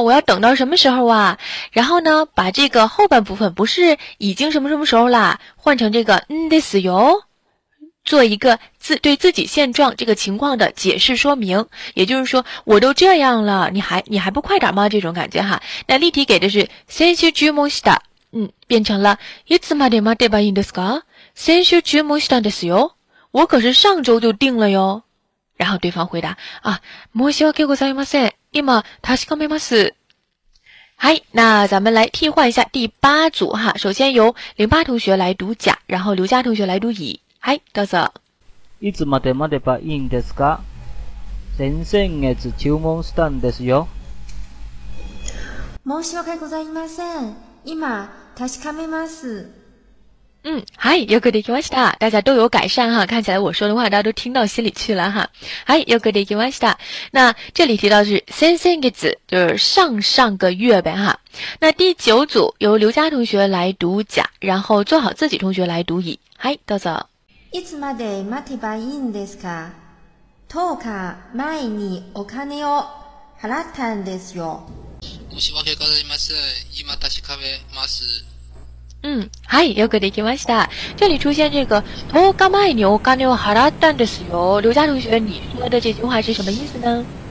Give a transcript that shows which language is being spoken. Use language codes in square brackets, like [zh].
[zh] 我要等到什么时候啊？然后呢，把这个后半部分不是已经什么什么时候啦，换成这个 [ja] んですよ。 [zh] 做一个对自己现状这个情况的解释说明，也就是说我都这样了，你还不快点吗？这种感觉哈。那例题给的是 [ja] 先週注文した， [zh] 嗯，变成了 [ja] いつまで待てばいいんですか？先週注文したんですよ， [zh] 我可是上周就定了哟。然后对方回答啊， [ja] 申し訳ございません。今確かめます。 [zh] 嗨，那咱们来替换一下第八组哈。首先由08同学来读甲，然后刘佳同学来读乙。 [ja] はい、どうぞ。いつまで待てばいいんですか？先々月注文したんですよ。申し訳ございません。今、確かめます。嗯，はい、よくできました。 [zh] 大家都有改善哈，看起来我说的话大家都听到心里去了哈。 [ja] はい、よくできました。 [zh] 那这里提到的是先々月，就是上上个月呗哈。那第九组由刘佳同学来读甲，然后做好自己同学来读乙。 [ja] はい、どうぞ。いつまで待てばいいんですか？10日前にお金を払ったんですよ。申し訳ございません。今確かめます。 [zh] 嗯， [ja] はい、よくできました。 [zh] 这里出现这个 [ja] 10日前にお金を払ったんですよ。 [zh] 刘佳同学，你说的这句话是什么意思呢？